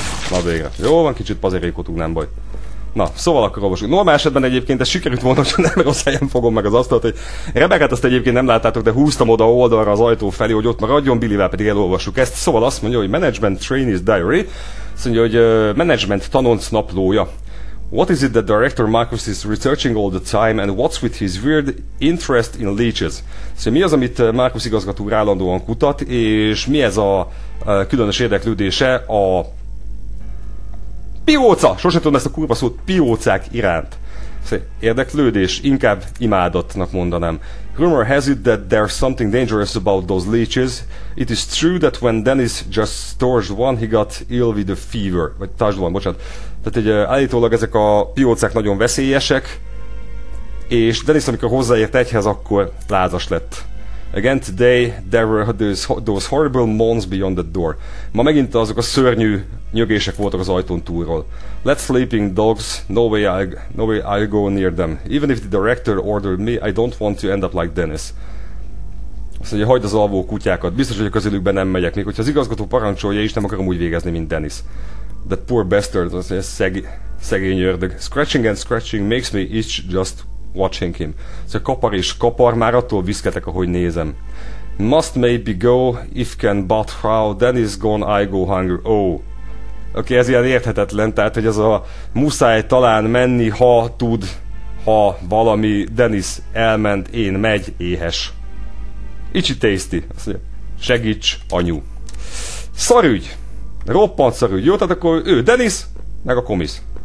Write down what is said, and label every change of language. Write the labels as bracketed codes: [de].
[hu] Na végre. Jó van, kicsit pazérékotunk, nem baj. Na, szóval akkor olvasunk. Normál esetben egyébként ez sikerült volna, hogy nem rossz helyen fogom meg az asztalt, hogy Rebekát azt egyébként nem láttátok, de húztam oda oldalra az ajtó felé, hogy ott maradjon, Billyvel pedig elolvassuk ezt. Szóval azt mondja, hogy [en] Management Trainee's Diary. [hu] Azt mondja, hogy Management tanonc naplója. [en] What is it that Director Marcus is researching all the time and what's with his weird interest in leeches? [hu] Szóval mi az, amit Marcus igazgató állandóan kutat, és mi ez a különös érdeklődése a pióca! Sose tudom ezt a kurva szót piócák iránt. Érdeklődés, inkább imádatnak mondanám. [en] Rumor has it that there's something dangerous about those leeches. It is true that when Dennis just touched one, he got ill with a fever. [hu] Vagy [en] touched one, [hu] bocsánat. Tehát egy állítólag ezek a piócák nagyon veszélyesek. És Dennis, amikor hozzáért egyhez, akkor lázas lett. [en] Again today there were those horrible moans beyond the door. [hu] Ma megint azok a szörnyű nyögések voltak az ajtón túlról. [en] Let sleeping dogs, no way I go near them. Even if the director ordered me, I don't want to end up like Dennis. [hu] Azt mondja, hagyd az alvó kutyákat, biztos, hogy a közülükben nem megyek, még hogyha az igazgató parancsolja is, nem akarom úgy végezni, mint Dennis. [en] That poor bastard, [hu] az mondja, szegény ördög. [en] Scratching and scratching makes me itch just watching him. [hu] Szóval kapar és kapar, már attól viszketek, ahogy nézem. [en] Must maybe go, if can but how, Dennis gone, I go hungry, oh. [hu] Oké, okay, ez ilyen érthetetlen, tehát hogy az a muszáj talán menni, ha tud, ha valami, Dennis elment, én megy, éhes. [en] Itchy tasty, [hu] azt mondja, segíts, anyu. Szarügy, roppant szarügy, jó, tehát akkor ő, Dennis, meg a komisz.